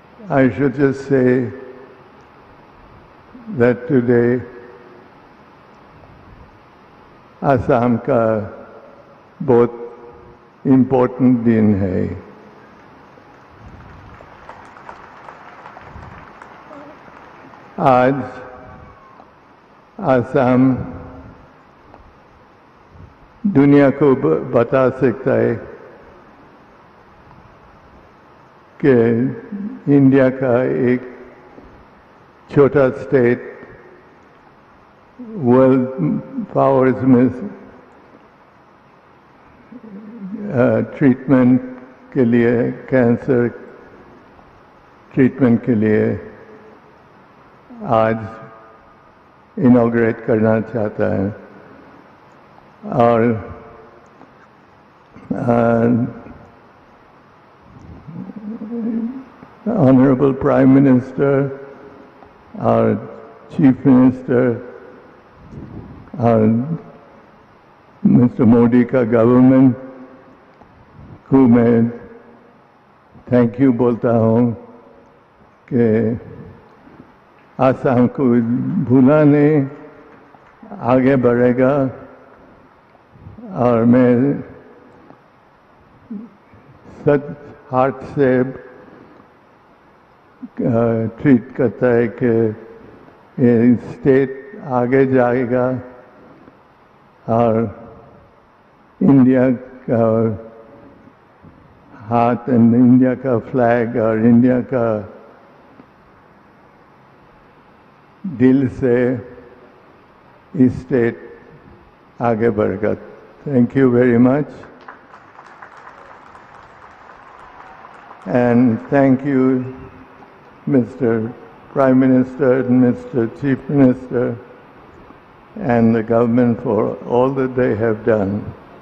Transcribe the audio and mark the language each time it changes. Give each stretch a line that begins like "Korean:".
English: I should just say that today
Hindi: Assam का बहुत important दिन है. आज असम दुनिया को बता सकता है कि इंडिया का एक छोटा स्टेट वर्ल्ड पावर्स में treatment के लिए, cancer treatment के लिए, आज inaugurate करना चाहता है. Aur
English: Honorable Prime Minister, our Chief Minister, our Mr.
Hindi: Modi का government, को मैं
English: thank you
Hindi: बोलता हूँ के असम को भुला नहीं, आगे बढ़ेगा, और मैं सच heart से treat करता है के state आगे जाएगा और इंडिया का heart and इंडिया का flag और इंडिया का दिल से state आगे बढ़ेगा.
English: Thank you very much. And thank you, Mr. Prime Minister and Mr. Chief Minister and the government for all that they have done.